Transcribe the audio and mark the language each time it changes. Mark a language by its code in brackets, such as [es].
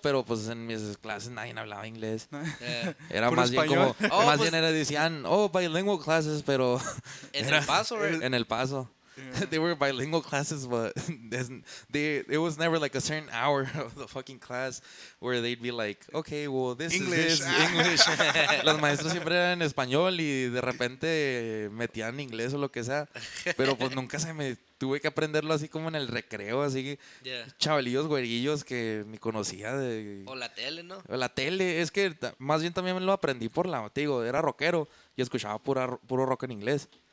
[es] pero pues en mis clases nadie hablaba inglés. Yeah. Era más español. Bien como, oh, más pues, bien era, decían, oh, bilingüe clases, pero... En El Paso, ¿verdad? En El Paso. [en] They were bilingual classes, but it was never like a certain hour of the fucking class where they'd be like, okay, well, this English. Is this, English. [es] Los maestros siempre eran en español y de repente metían inglés o lo que sea, pero pues nunca se me... Tuve que aprenderlo así como en el recreo, así que... Yeah. Chavalillos güerillos que ni conocía de... O la tele, ¿no? La tele, es que más bien también lo aprendí por la... Te digo, era rockero y escuchaba puro rock en inglés.